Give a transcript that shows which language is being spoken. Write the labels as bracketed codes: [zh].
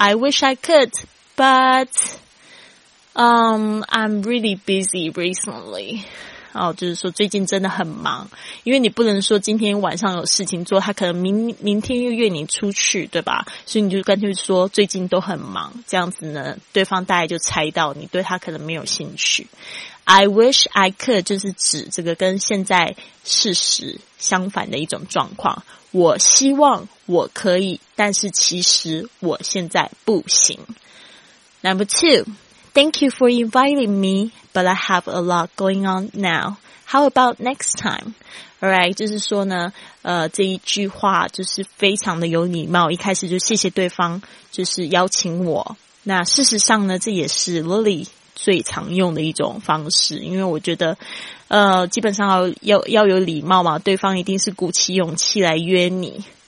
[en] I wish I could but I'm really busy recently。 [zh] 哦，就是说最近真的很忙，因为你不能说今天晚上有事情做，他可能明天又约你出去，对吧？所以你就干脆说最近都很忙，这样子呢，对方大概就猜到你对他可能没有兴趣。 [en] I wish I could [zh] 就是指这个跟现在事实相反的一种状况。我希望我可以，但是其实我现在不行。 [en] Number two。 Thank you for inviting me, but I have a lot going on now. How about next time? Alright, [zh] 就是说呢，这一句话就是非常的有礼貌，一开始就谢谢对方就是邀请我。那事实上呢，这也是 Lily 最常用的一种方式，因为我觉得基本上要有礼貌嘛，对方一定是鼓起勇气来约你。